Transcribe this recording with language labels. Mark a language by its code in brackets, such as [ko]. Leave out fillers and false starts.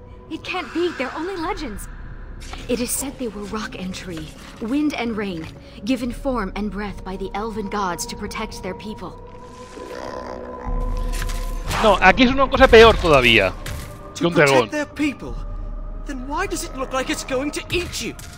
[en] It can't be, they're only legends. It is said they were rock and tree, wind and rain, given form and breath by the elven gods to protect their people. [es] No, aquí es una cosa peor todavía. [en] To protect their people? Then why does it look like it's going to eat you?